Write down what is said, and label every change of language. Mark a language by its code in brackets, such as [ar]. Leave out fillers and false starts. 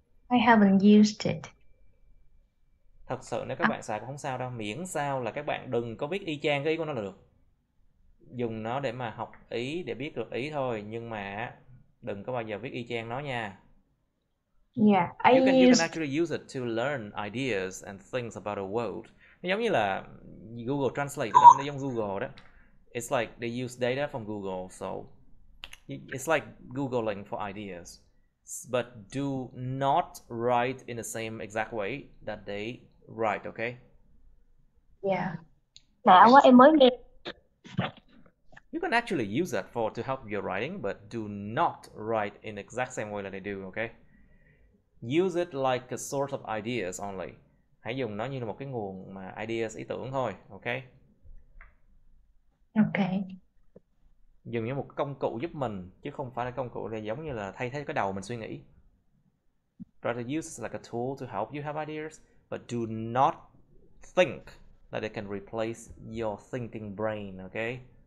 [en] I haven't used it. [vi] Thật sự nếu các bạn xài cũng không sao đâu. Miễn sao là các bạn đừng có viết y chang cái ý của nó là được. Dùng nó để mà học ý, để biết được ý thôi. Nhưng mà đừng có bao giờ viết y chang nó nha. Yeah, [en] you can actually use it to learn ideas and things about the world. [vi] Giống như là Google Translate đó, nó giống Google đó. [en] It's like they use data from Google, so It's like Googling for ideas. But do not write in the same exact way that they write, okay? Yeah. [vi] Mà quá em mới nghe. [en] You can actually use that for to help your writing, but do not write in the exact same way that they do, okay? Use it like a source of ideas only. [vi] Hãy dùng nó như là một cái nguồn mà ideas, ý tưởng thôi, okay? Okay. Dùng như một công cụ giúp mình, chứ không phải là công cụ để giống như là thay thế cái đầu mình suy nghĩ. [en] Rather use it like a tool to help you have ideas, but do not think that it can replace your thinking brain, okay?